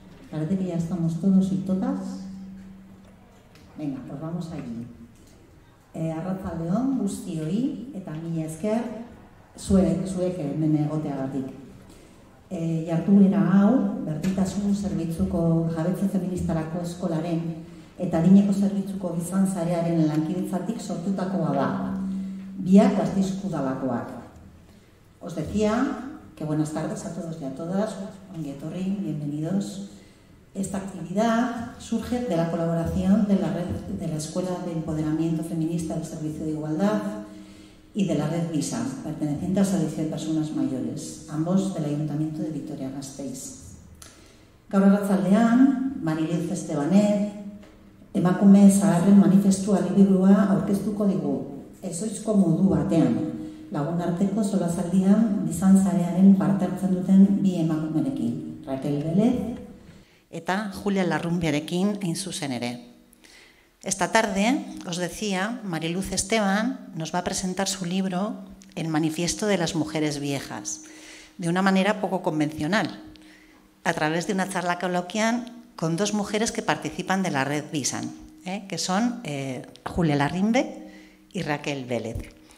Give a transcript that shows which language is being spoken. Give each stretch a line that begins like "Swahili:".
Spanish: Parece que ya estamos todos y todas. Venga, pues vamos allí.
Basque: Arratzaldeon, guztioi, eta mila esker, zuek hemen egoteagatik. Jarduera hau, berdintasun zerbitzuko jabetze feministarako eskolaren eta adineko zerbitzuko gizon sarearen lankidetzatik sortutakoa da. Biak Gasteizko udalakoak.
Spanish: Os decía que buenas tardes a todos y a todas, bienvenidos. Esta actividad surge de la colaboración de la red de la Escuela de Empoderamiento Feminista del Servicio de Igualdad y de la red VISA, perteneciente a la Asociación de Personas Mayores, ambos del Ayuntamiento de Vitoria-Gasteiz.
Basque: Gaur arratsaldean, Mariluz Estebanet, emakume zaharren manifestua liburua aurkeztuko digu, ezoizko modu batean, lagunarteko solasaldian bizan zarearen parte hartzen duten bi emakumerekin, Raquel Belez eta Julia Larrumbiarekin hain zuzen ere.
Spanish: Esta tarde, os decía, Mariluz Esteban nos va a presentar su libro El manifiesto de las mujeres viejas, de una manera poco convencional, a través de una charla coloquial con dos mujeres que participan de la red VISAN, que son Julia Larrimbe y Raquel Vélez.